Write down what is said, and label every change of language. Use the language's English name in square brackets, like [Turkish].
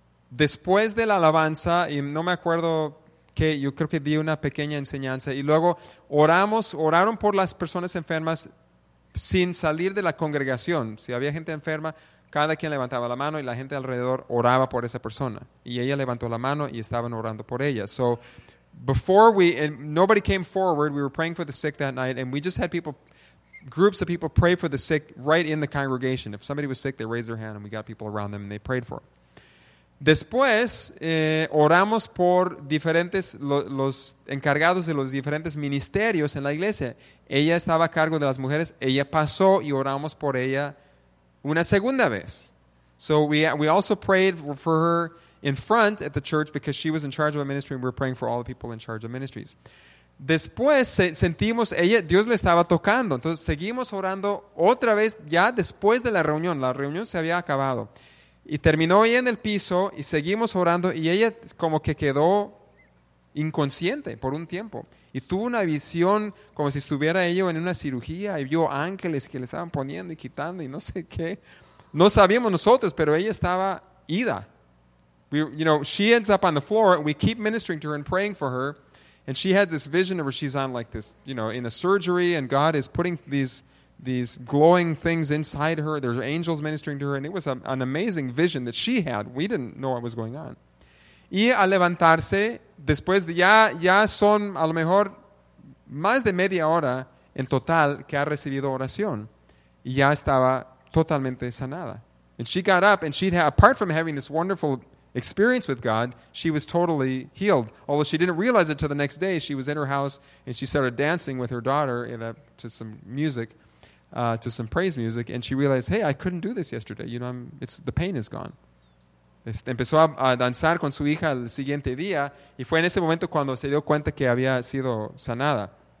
[Spanish] Después de la alabanza, y no me acuerdo qué, yo creo que di una pequeña enseñanza, y luego oraron por las personas enfermas sin salir de la congregación. Si había gente enferma, cada quien levantaba la mano y la gente alrededor oraba por esa persona. Y ella levantó la mano y estaban orando por ella. [English] So, before we, and nobody came forward, we were praying for the sick that night, and we just had people, groups of people pray for the sick right in the congregation. If somebody was sick, they raised their hand and we got people around them and they prayed for it. [Spanish] Después, oramos por diferentes, los encargados de los diferentes ministerios en la iglesia. Ella estaba a cargo de las mujeres, ella pasó y oramos por ella una segunda vez. [English] So we also prayed for her in front at the church because she was in charge of a ministry and we were praying for all the people in charge of ministries. [Spanish] Después sentimos ella, Dios le estaba tocando. Entonces seguimos orando otra vez ya después de la reunión. La reunión se había acabado. Y terminó ella en el piso y seguimos orando y ella como que quedó inconsciente por un tiempo. Y tuvo una visión como si estuviera ella en una cirugía y vio ángeles que le estaban poniendo y quitando y no sé qué. No sabíamos nosotros, pero ella estaba ida. [English] She ends up on the floor. We keep ministering to her and praying for her. And she had this vision of where she's on like this, in a surgery and God is putting these glowing things inside her. There's angels ministering to her. And it was an amazing vision that she had. We didn't know what was going on. [Spanish] Y al levantarse, después de ya son a lo mejor más de media hora en total que ha recibido oración. Y ya estaba totalmente sanada. [English] And she got up and apart from having this wonderful experience with God, she was totally healed. Although she didn't realize it till the next day, she was in her house and she started dancing with her daughter to some music, to some praise music. And she realized, hey, I couldn't do this yesterday. The pain is gone. [Spanish] Empezó a danzar con su hija el siguiente día y fue en ese momento cuando se dio cuenta que había sido sanada.